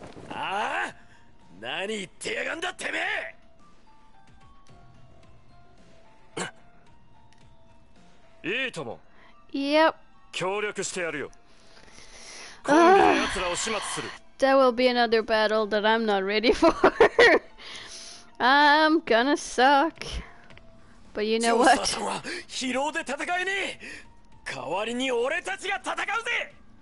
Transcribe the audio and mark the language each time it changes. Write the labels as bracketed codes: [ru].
[ja] ああ、何言ってやがんだてめえ。いいとも。 [en] Yep. [ja] 協力してやるよ。今度は奴らを始末する。 [en] That will be another battle that I'm not ready for. I'm gonna suck. But you know what? [ja] ジョーサーは疲労で戦えねえ。代わりに俺たちが戦うぜ。